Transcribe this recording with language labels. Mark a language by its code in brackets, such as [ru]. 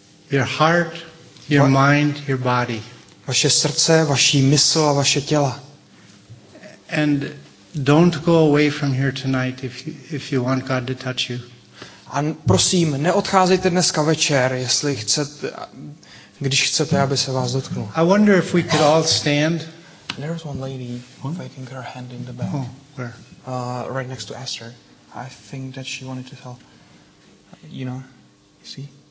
[en] Your heart, your mind, your body. [cs] Vaše srdce, vaši mysl a vaše těla. [en] And don't go away from here tonight if you want God to touch you. [cs] A prosím, neodcházejte dneska večer, jestli chcete, když chcete, aby se vás dotknul. [en] I wonder if we could all stand. There's one lady waving her hand in the back. Oh, where? Right next to Esther. I think that she wanted to tell, you know, you see?